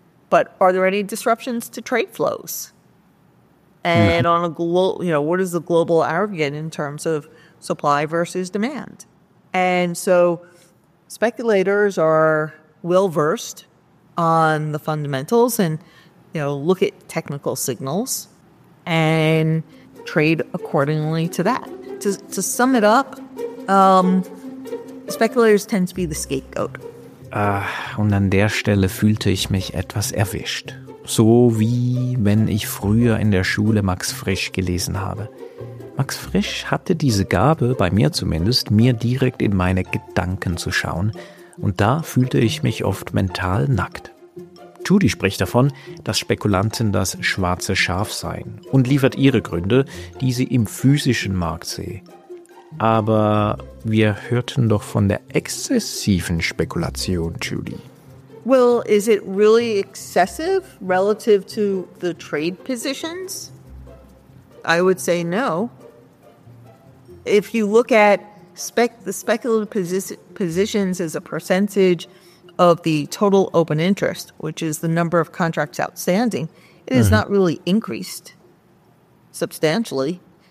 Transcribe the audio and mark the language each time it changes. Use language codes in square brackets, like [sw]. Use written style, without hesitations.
[en] But are there any disruptions to trade flows? And on a global, you know, what is the global aggregate in terms of supply versus demand? And so speculators are well-versed on the fundamentals and, you know, look at technical signals and trade accordingly to that. To sum it up, speculators tend to be the scapegoat. [de] Und an der Stelle fühlte ich mich etwas erwischt. So wie wenn ich früher in der Schule Max Frisch gelesen habe. Max Frisch hatte diese Gabe, bei mir zumindest, mir direkt in meine Gedanken zu schauen. Und da fühlte ich mich oft mental nackt. Judy spricht davon, dass Spekulanten das schwarze Schaf seien und liefert ihre Gründe, die sie im physischen Markt sehe. Aber wir hörten doch von der exzessiven Spekulation, Judy. [en] Well, is it really excessive relative to the trade positions? I would say no. If you look at the speculative positions as a percentage of the total open interest, which is the number of contracts outstanding, it has not really increased substantially.